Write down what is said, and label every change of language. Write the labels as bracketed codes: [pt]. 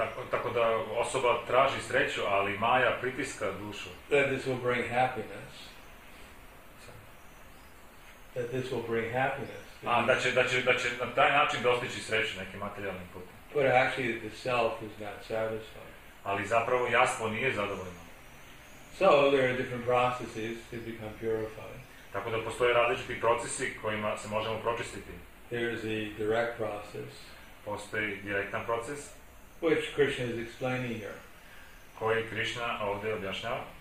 [sr] Tako da osoba traži sreću, ali Maja pritiska dušu. [en] That this will bring happiness. That this will bring happiness. [sr] A, da će na taj način dostići sreću nekim materijalnim putem. [en] But actually the self is not satisfied. [sr] Ali zapravo jastvo nije zadovoljno. [en] So there are different processes to become purified. [sr] Tako da postoje različiti procesi kojima se možemo pročistiti. [en] There's a direct process. [sr] Postoji direktan proces. [en] Which Krishna is explaining here. [sr] Koji Krishna ovdje objašnjava.